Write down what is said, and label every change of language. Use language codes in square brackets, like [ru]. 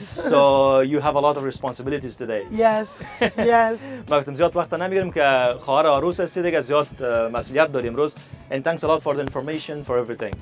[en] So you have a lot of responsibilities today. Yes, yes. [fa] مگتم زیاد وقت نمیگیرم که خواهر عروس هستی دیگه زیاد مسئولیت داری امروز. [en] And thanks a lot for the information, for everything.